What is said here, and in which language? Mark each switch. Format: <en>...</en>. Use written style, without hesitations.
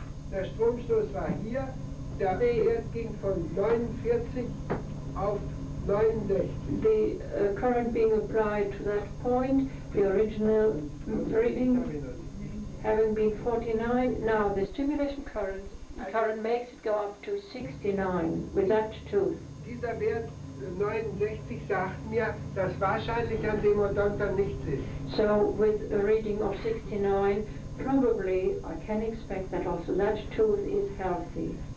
<de>Der Stromstoß war hier. Der Wert ging von 49 auf 69.</de> <en>The current being applied to that point, the original reading having been 49, now the stimulation current makes it go up to 69 with that tooth.</en> <de>Dieser Wert 69 sagt mir, dass wahrscheinlich an dem Odontor nichts ist.</de> <en>So with a reading of 69, probably I can expect that also that tooth is healthy.</en>